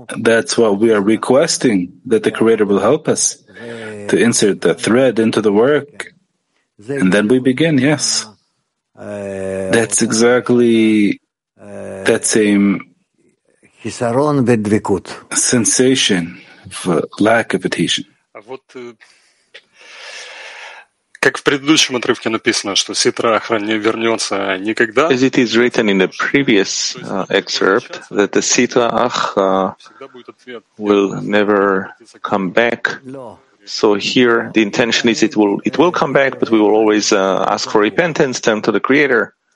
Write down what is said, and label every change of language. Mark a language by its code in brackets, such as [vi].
[en] That's what we are requesting, that the Creator will help us to insert the thread into the work, and then we begin, yes. That's exactly that same sensation of lack of adhesion. [ru] Как в предыдущем отрывке написано, что ситра охранник вернется никогда. [en] As it is written in the previous excerpt, that the ситра ах will never come back. So here the intention is it will come back, but we will always ask for repentance, turn to the Creator.